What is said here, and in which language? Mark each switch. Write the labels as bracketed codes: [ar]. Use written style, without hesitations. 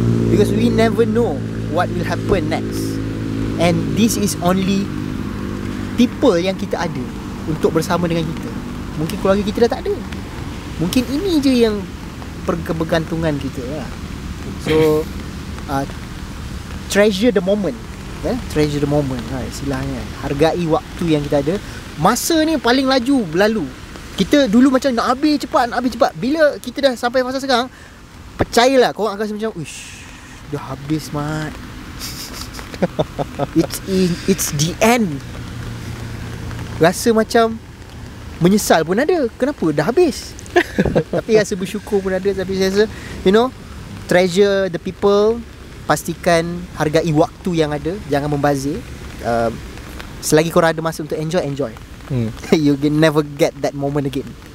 [en] Because we never know what will happen next. And this is only people [ms] yang kita ada untuk bersama dengan kita. Mungkin keluarga kita dah tak ada. Mungkin ini je yang bergantungan kita lah. [en] So treasure the moment, yeah? Treasure the moment, right? [ms] Silahnya. Hargai waktu yang kita ada. Masa ni paling laju berlalu. Kita dulu macam nak habis cepat, nak habis cepat. Bila kita dah sampai masa sekarang, percayalah, korang akan rasa macam uish, dah habis mat. [en] It's the end. [ms] Rasa macam menyesal pun ada. Kenapa? Dah habis. Tapi rasa bersyukur pun ada. Tapi saya rasa, [en] you know, treasure the people. [ms] Pastikan hargai waktu yang ada. Jangan membazir. Selagi korang ada masa untuk enjoy, enjoy. [en] You can never get that moment again.